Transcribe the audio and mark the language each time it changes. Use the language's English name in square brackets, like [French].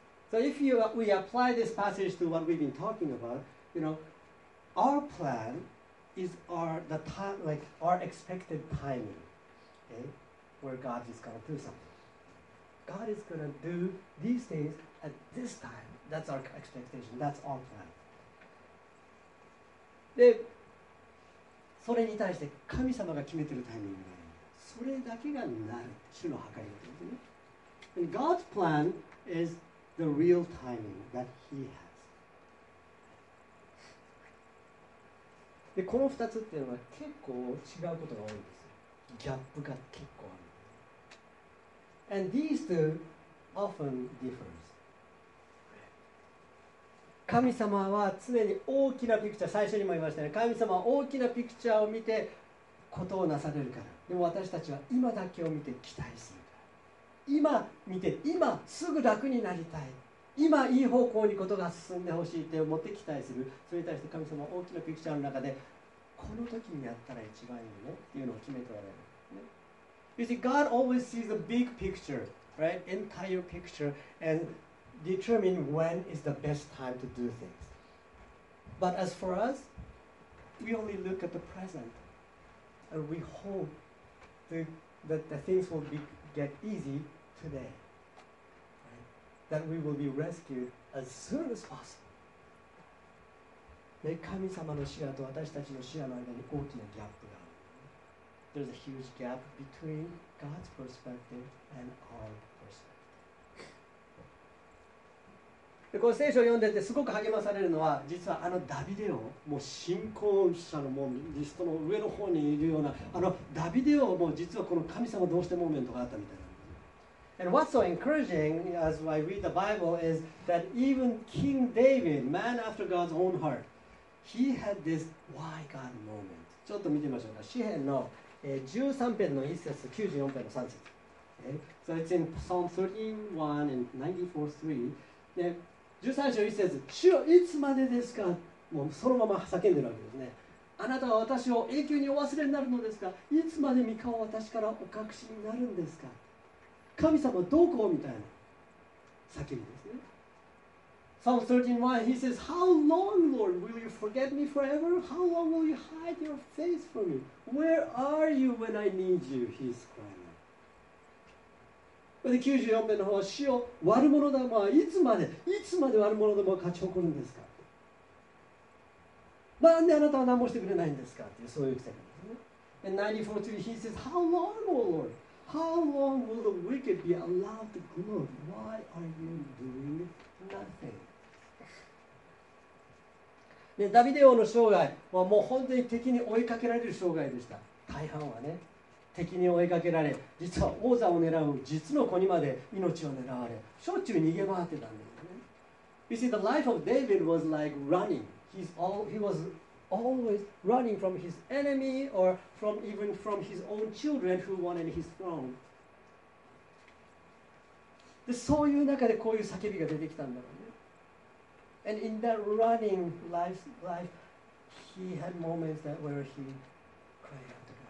[English] So if you, we apply this passage to what we've been talking about, you know, our planis our the time like our expected timing, okay? Where God is going to do something. God is going to do these things at this time. That's our expectation. That's our plan. [Japanese] で、それに対して神様が決めてるタイミングがある。それだけがなる。主の計りですね。 [English] And God's plan is the real timing that He has. [Japanese] でこの2つっていうのは結構違うことが多いんですよ。ギャップが結構ある。 [English] And these two often differ. [Japanese] 神様は常に大きなピクチャー、最初にも言いましたね。神様は大きなピクチャーを見てことをなされるから。でも私たちは今だけを見て期待するから。今見て、今すぐ楽になりたい。今いい方向にことが進んでほしいって思って期待する。それに対して神様は大きなピクチャーの中でこの時にやったら一番いいよねっていうのを決めておられる、ね、 [English] You see, God always sees the big picture, right? Entire picture and determine when is the best time to do things. But as for us, we only look at the present and we hope that the things will be, get easy todayThat we will be rescued as soon as possible. [Japanese] で神様の視野と私たちの視野の間に大きなギャップがある。 [English] There's a huge gap between God's perspective and our perspective. [Japanese] でこの聖書を読んでてすごく励まされるのは、実はあのダビデをもう信仰者のもうリストの上の方にいるようなあのダビデをもう実はこの神様どうしてモーメントがあったみたいな。 [English] And what's so encouraging as I read the Bible is that even King David, man after God's own heart, he had this why God moment. [Japanese] ちょっと見てみましょうか。詩篇の13篇の1節、94篇の3節。 [English] So it's in Psalm 13:1 and 94:3. [Japanese] 13章1節、主よ、いつまでですか？もうそのまま叫んでるわけですね。あなたは私を永久にお忘れになるのですか？いつまで御顔を私からお隠しになるんですか？神様どこみたいな叫びですね。 [English] Psalm 13:1, he says, How long, Lord, will you forget me forever? How long will you hide your face from me? Where are you when I need you? He's crying. [Japanese] で94名の方は死を悪者どもはいつまでいつまで悪者どもは勝ち誇るんですか、なんであなたは何もしてくれないんですかっていう、そういう言い方ですね。 [English] And 94:3 he says, How long, O Lord? How long will the wicked be allowed to gloat? Why are you doing nothing? [Japanese] でダビデ王の生涯はもう本当に敵に追いかけられる生涯でした。大半はね、敵に追いかけられ、実は王座を狙う実の子にまで命を狙われ、しょっちゅう逃げ回ってたんですね。 [English] You see, the life of David was like running. He was always running from his enemy or from even from his own children who wanted his throne. [Japanese] で、そういう中でこういう叫びが出てきたんだろうね。 [English] And in that running life, he had moments that where he cried out.